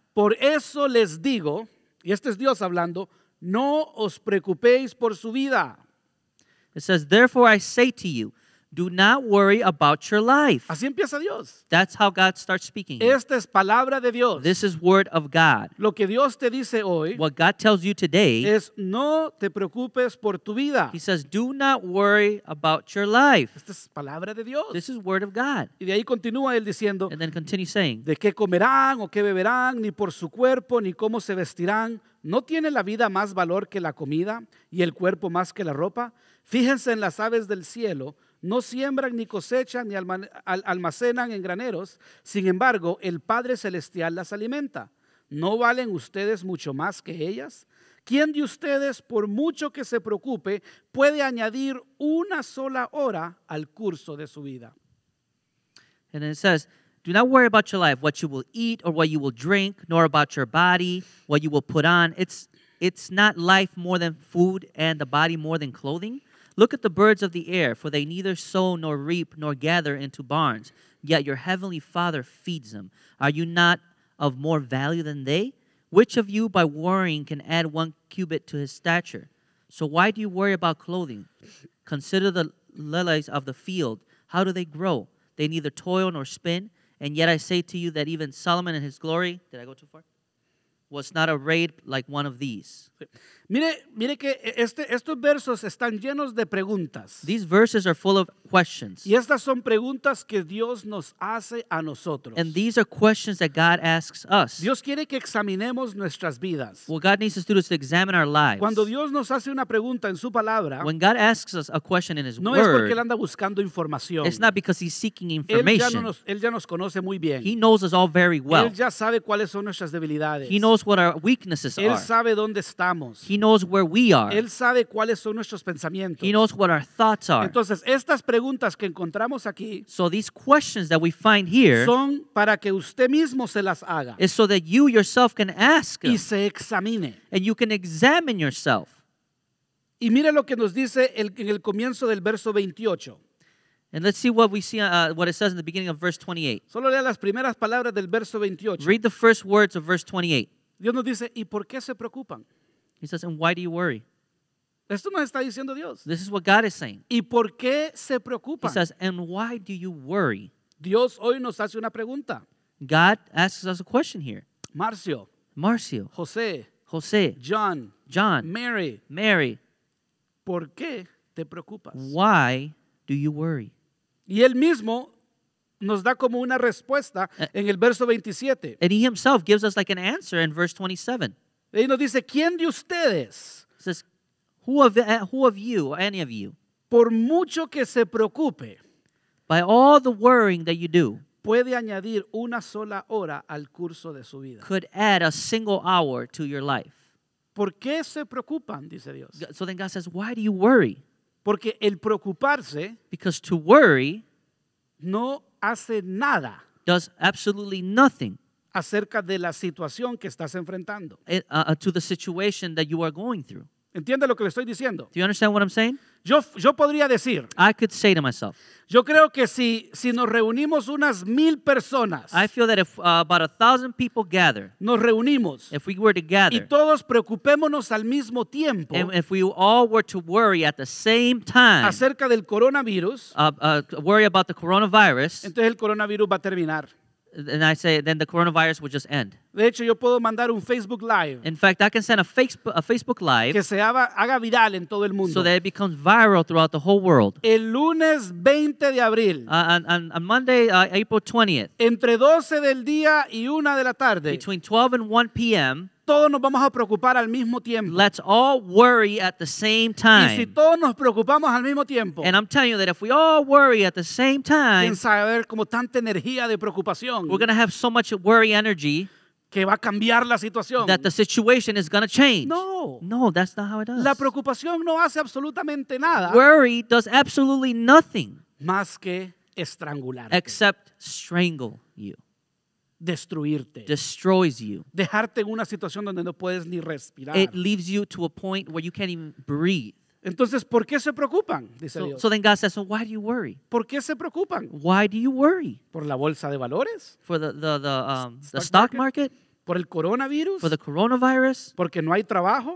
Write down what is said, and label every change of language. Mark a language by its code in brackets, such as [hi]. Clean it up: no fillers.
[es] Por eso les digo, y este es Dios hablando, no os preocupéis por su vida. [en] It says, therefore I say to you, do not worry about your life. [es] Así empieza Dios. [en] That's how God starts speaking. [es] Esta es palabra de Dios. [en] This is word of God. [es] Lo que Dios te dice hoy, [en] what God tells you today, [es] es no te preocupes por tu vida. [en] He says, do not worry about your life. [es] Esta es palabra de Dios. [en] This is word of God. [es] Y de ahí continúa él diciendo, [en] and then continue saying, [es] de qué comerán o qué beberán, ni por su cuerpo, ni cómo se vestirán. ¿No tiene la vida más valor que la comida y el cuerpo más que la ropa? Fíjense en las aves del cielo. No siembran, ni cosechan, ni almacenan en graneros. Sin embargo, el Padre Celestial las alimenta. ¿No valen ustedes mucho más que ellas? ¿Quién de ustedes, por mucho que se preocupe, puede añadir una sola hora al curso de su vida? [en] And it says, do not worry about your life, what you will eat or what you will drink, nor about your body, what you will put on. It's not life more than food and the body more than clothing. Look at the birds of the air, for they neither sow nor reap nor gather into barns, yet your heavenly Father feeds them. Are you not of more value than they? Which of you, by worrying, can add one cubit to his stature? So why do you worry about clothing? Consider the lilies of the field. How do they grow? They neither toil nor spin. And yet I say to you that even Solomon in his glory, did I go too far? Was not arrayed like one of these. [es] Mire que estos versos están llenos de preguntas. [en] These verses are full of questions. [es] Y estas son preguntas que Dios nos hace a nosotros. [en] And these are questions that God asks us. [es] Dios quiere que examinemos nuestras vidas. [en] What God needs us to do is to examine our lives. [es] Cuando Dios nos hace una pregunta en su palabra, [en] when God asks us a question in his [es] no [en] word, [es] es porque él anda buscando información. [en] It's not because he's seeking information. [es] Él ya nos conoce muy bien. [en] He knows us all very well. [es] Él ya sabe cuáles son nuestras debilidades. [en] He knows what our weaknesses [es] él [en] are. [es] Sabe dónde estamos. [en] He knows where we are. [es] Él sabe cuáles son nuestros pensamientos. [en] He knows what our thoughts are. [es] Entonces, estas preguntas que encontramos aquí, [en] so these questions that we find here, [es] son para que usted mismo se las haga. [en] Is so that you yourself can ask [es] y se examine. [en] And you can examine yourself. [es] Y mire lo que nos dice en el comienzo del verso 28. [en] And let's see what we see, what it says in the beginning of verse 28. [es] Solo lea las primeras palabras del verso 28. [en] Read the first words of verse 28. [es] Dios nos dice, ¿y por qué se preocupan? [en] He says, and why do you worry? [es] Esto nos está diciendo Dios. [en] This is what God is saying. [es] ¿Y por qué se preocupan? [en] He says, and why do you worry? [es] Dios hoy nos hace una pregunta. [en] God asks us a question here. Marcio. José. John. Mary. [es] ¿Por qué te preocupas? [en] Why do you worry? [es] Y él mismo nos da como una respuesta en el verso 27. [en] And he himself gives us like an answer in verse 27. [es] Y nos dice, ¿quién de ustedes? [en] Says, who of you, any of you, [es] por mucho que se preocupe, [en] by all the worrying that you do, [es] puede añadir una sola hora al curso de su vida? [en] Could add a single hour to your life. [es] ¿Por qué se preocupan? Dice Dios. [en] So then God says, why do you worry? [es] Porque el preocuparse, [en] because to worry, [es] no hace nada, [en] does absolutely nothing, [es] acerca de la situación que estás enfrentando. [en] To the situation that you are going through. [es] ¿Entiende lo que le estoy diciendo? [en] Do you understand what I'm saying? [es] Yo podría decir, [en] I could say to myself, [es] yo creo que si nos reunimos unas 1,000 personas, [en] I feel that if about 1,000 people gather, [es] nos reunimos, [en] if we were to gather, [es] y todos preocupémonos al mismo tiempo, [en] and if we all were to worry at the same time, [es] acerca del coronavirus, [en] worry about the coronavirus, [es] entonces el coronavirus va a terminar. [en] And I say, then the coronavirus would just end. [es] De hecho, yo puedo mandar un Facebook Live. [en] In fact, I can send a Facebook Live. [es] Que se haga viral en todo el mundo. [en] So that it becomes viral throughout the whole world. [es] El lunes 20 de abril. [en] On Monday, April 20th. [es] Entre 12 del día y 1 de la tarde. [en] Between 12 and 1 p.m. [es] todos nos vamos a preocupar al mismo tiempo. [en] Let's all worry at the same time. [es] Y si todos nos preocupamos al mismo tiempo. [en] And I'm telling you that if we all worry at the same time. [es] Quién sabe ver como tanta energía de preocupación. [en] We're going to have so much worry energy. [es] Que va a cambiar la situación. [en] That the situation is going to change. [es] No. [en] No, that's not how it does. [es] La preocupación no hace absolutamente nada. [en] Worry does absolutely nothing. [es] Más que estrangularte. [en] Except strangle you. [es] Destruirte. [en] Destroys you. [es] Dejarte en una situación donde no puedes ni respirar. [en] It leaves you to a point where you can't even breathe. [es] Entonces, ¿por qué se preocupan? Dice [en] so, [es] Dios. [en] So then God says, so why do you worry? [es] ¿Por qué se preocupan? [en] Why do you worry? [es] ¿Por la bolsa de valores? [en] For the stock market? [es] ¿Por el coronavirus? [en] For the coronavirus? [es] ¿Porque no hay trabajo?